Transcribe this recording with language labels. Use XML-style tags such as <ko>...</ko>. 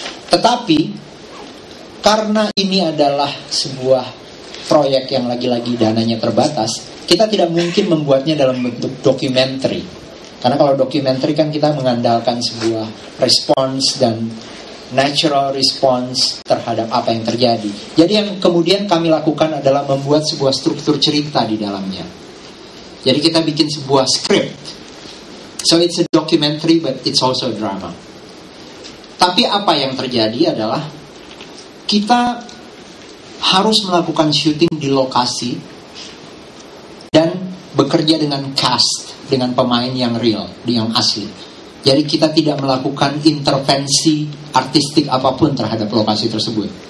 <id>Tetapi, karena ini adalah sebuah proyek yang lagi-lagi dananya terbatas, kita tidak mungkin membuatnya dalam bentuk dokumentari. Karena kalau dokumentari kan kita mengandalkan sebuah respons dan natural response terhadap apa yang terjadi. Jadi yang kemudian kami lakukan adalah membuat sebuah struktur cerita di dalamnya. Jadi kita bikin sebuah script.</id> <en>So it's a documentary but it's also a drama.</en> <id>Tapi apa yang terjadi adalah kita harus melakukan syuting di lokasi dan bekerja dengan cast, dengan pemain yang real, yang asli. Jadi kita tidak melakukan intervensi artistik apapun terhadap lokasi tersebut.</id>